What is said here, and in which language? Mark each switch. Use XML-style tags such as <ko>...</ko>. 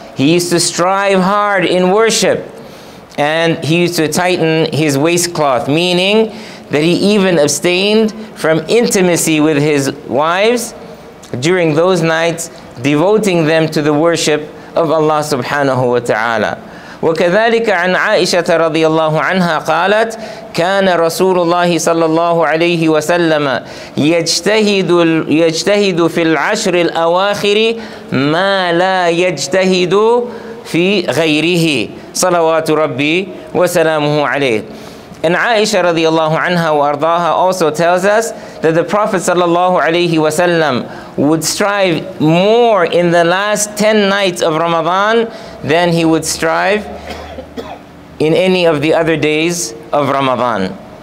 <en>He used to strive hard in worship, and he used to tighten his waistcloth, meaning that he even abstained from intimacy with his wives during those nights, devoting them to the worship of Allah subhanahu wa ta'ala.</en> <ar>وكذلك عن عائشة رضي الله عنها قالت كان رسول الله صلى الله عليه وسلم يجتهد في العشر الأواخر ما لا يجتهد في غيره صلوات ربي وسلامه عليه.</ar> <en>And Aisha radiallahu anha wa ardaha also tells us that the Prophet sallallahu alayhi wa sallam would strive more in the last 10 nights of Ramadan than he would strive in any of the other days of Ramadan.</en>